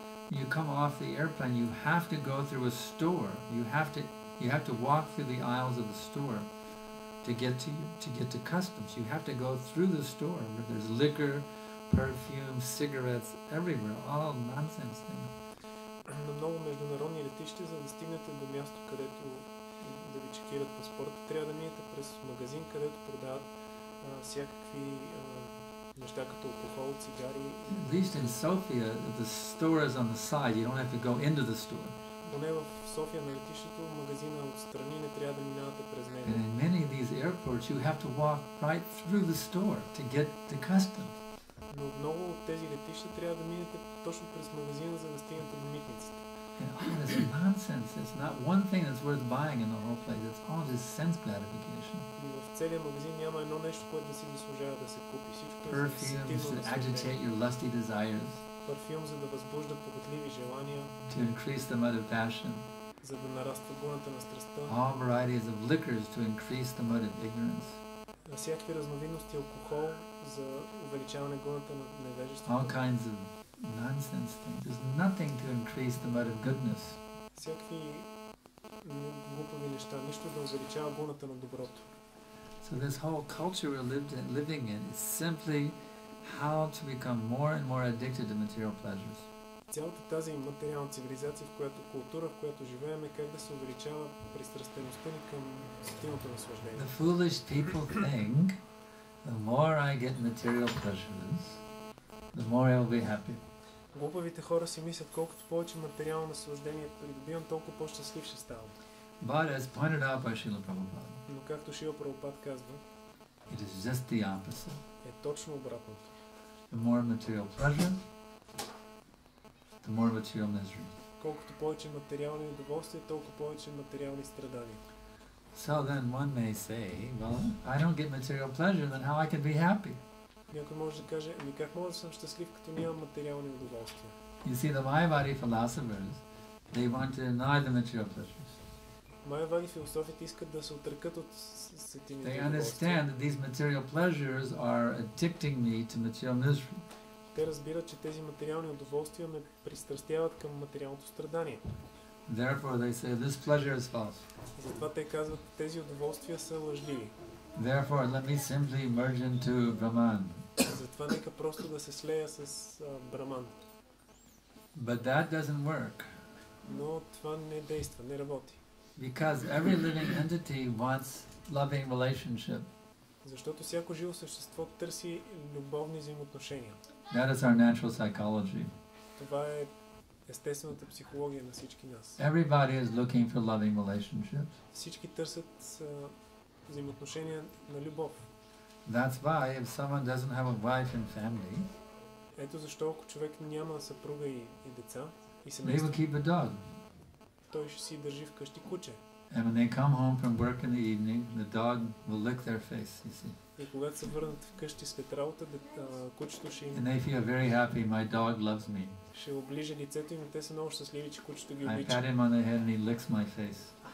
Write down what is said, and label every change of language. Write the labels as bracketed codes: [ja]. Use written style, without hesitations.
[en] You come off the airplane, you have to go through a store. You have to walk through the aisles of the store to get to customs. You have to go through the store where there's liquor, perfume, cigarettes, everywhere, all nonsense things. [bg] На много международни летища, за да стигнете до място, където да ви чекират паспорта, трябва да минете през магазин, където продават всякакви неща, като алкохол, цигари. [en] At least in Sofia, the store is on the side. You don't have to go into the store. [bg] Поне в София на летището, магазина отстрани, не трябва да минавате през него. [en] And in many of these airports, you have to walk right through the store to get to customs. [bg] Но много от тези летища трябва да минете точно през магазина, за да стигнете до митницата. [en] And it's nonsense. It's not one thing that's worth buying in the whole place. It's all just sense gratification. [bg] И в целия магазин няма едно нещо, което да си заслужава да се купи. [en] Perfumes to agitate your lusty desires. [bg] Парфюм, за да възбужда похотливи желания. [en] To increase the mood of passion. [bg] За да нараства бурната на страстта. [en] All varieties of liquors to increase the mood of ignorance. [bg] Всякакви разновидности алкохол за увеличаване гоната на невежеството. [en] All kinds of nonsense things. There's nothing to increase the mood of goodness. [bg] Всякакви глупави неща, нищо да увеличава гоната на доброто. [en] So this whole culture we're living in is simply how to become more and more addicted to material pleasures. [bg] Цялата тази материална цивилизация, в която култура, в която живеем, е как да се увеличава пристрастеността ни към сетивното наслаждение. [en] The foolish people think the more I get material pleasures, the more I'll be happy. [bg] Глупавите хора си мислят, колкото повече материално наслаждение придобивам, толкова по-щастлив ще ставам. [en] But as pointed out by Шрила Прабхупада, [bg] но както Шрила Прабхупад казва, [en] it is just the opposite. [bg] Е точно обратното. [en] The more material pleasure, the more material misery. [bg] Колкото повече материални удоволствия, толкова повече материални страдания. [en] So then one may say, well, I don't get material pleasure, then how I can be happy? [bg] Някой може да каже, ами как може да съм щастлив, като нямам материални удоволствия? [en] You see, the Mayavadi philosophers, they want to deny the material pleasures. [bg] Mayavadi философите искат да се отръкат от сетивните удоволствия. [en] They understand that these material pleasures are addicting me to material misery. [bg] Те разбират, че тези материални удоволствия ме пристрастяват към материалното страдание. [en] Therefore they say this pleasure is false. [bg] Затова те казват, тези удоволствия са лъжливи. [en] Therefore let me simply merge into Brahman. [bg] това нека просто да се слея с Браман. [en] But that doesn't work. [bg] Но това не действа, не работи. [en] Because every living entity wants loving relationship. [bg] Защото всяко живо същество търси любовни взаимоотношения. [en] That is our natural psychology. [bg] Това е естествената психология на всички нас. [en] Everybody is looking for loving relationships. [bg] Всички търсят взаимоотношения на любов. [en] That's why if someone doesn't have a wife and family, [bg] ето защо ако човек няма съпруга и деца и семейство, [en] they will keep a dog. [bg] Той ще си държи вкъщи куче. [en] And when they come home from work in the evening, the dog will lick their face, you see. [bg] И когато се върнат вкъщи след работа, кучето ще им... [en] And they feel very happy, my dog loves me. [bg] Ще оближа лицето им, те са много щастливи, че кучето ги обича. [en] I pat him on the head and he licks my face.